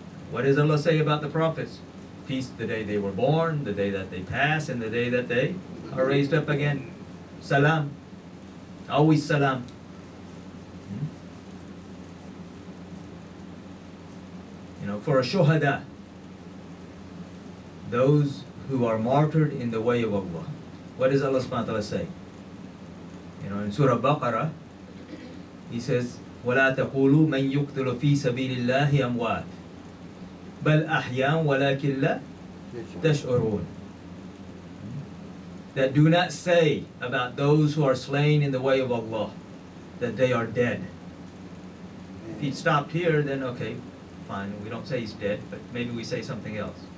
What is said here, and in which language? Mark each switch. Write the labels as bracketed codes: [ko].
[en] What does Allah say about the prophets? Peace, the day they were born, the day that they pass, and the day that they are raised up again. Salam. Always salam. You know, for a shuhada, those who are martyred in the way of Allah, what does Allah subhanahu wa ta'ala say? You know, in Surah Baqarah, he says, [ar] وَلَا تَقُولُوا مَنْ يُقْتَلُ فِي سَبِيلِ اللَّهِ أَمْوَاتِ بَلْ أَحْيَانُ وَلَكِنْ لَا تَشْعُرُونَ. [en] that do not say about those who are slain in the way of Allah that they are dead. If he stopped here, then okay, fine. We don't say he's dead, but maybe we say something else.